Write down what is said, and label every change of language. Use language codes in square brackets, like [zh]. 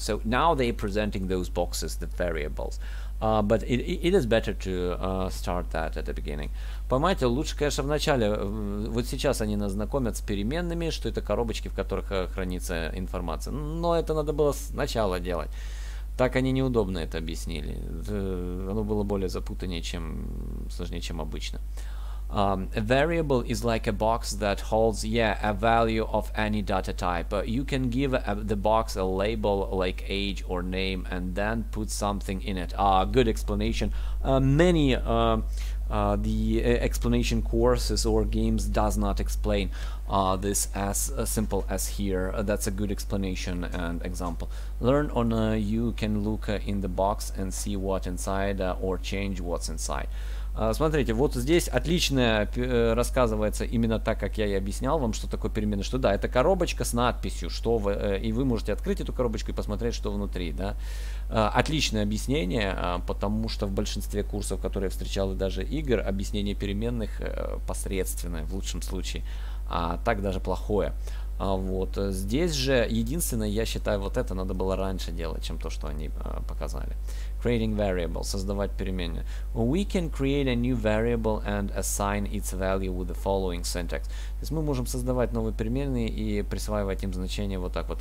[en] So, now they're presenting those boxes, the variables. But it is better to start that at the beginning. [ru] Понимаете, лучше, конечно, в начале. Вот сейчас они нас знакомят с переменными, что это коробочки, в которых хранится информация. Но это надо было сначала делать. Так они неудобно это объяснили. Оно было более запутаннее, чем сложнее, чем обычно. [en] A variable is like a box that holds, a value of any data type. You can give the box a label like age or name and then put something in it. Good explanation. The explanation courses or games does not explain this as simple as here. That's a good explanation and example. Learn on, you can look in the box and see what inside or change what's inside. [ru] Смотрите, вот здесь отлично рассказывается именно так, как я и объяснял вам, что такое переменная. Что да, это коробочка с надписью, что вы, и вы можете открыть эту коробочку и посмотреть, что внутри. Да? Отличное объяснение, потому что в большинстве курсов, которые я встречал, и даже игр, объяснение переменных посредственное, в лучшем случае, а так даже плохое. Вот здесь же единственное, я считаю, вот это надо было раньше делать, чем то, что они показали. [en] Creating variable, [ru] создавать переменную. [en] We can create a new variable and assign its value with the following syntax. [ru] То есть мы можем создавать новые переменные и присваивать им значение вот так вот.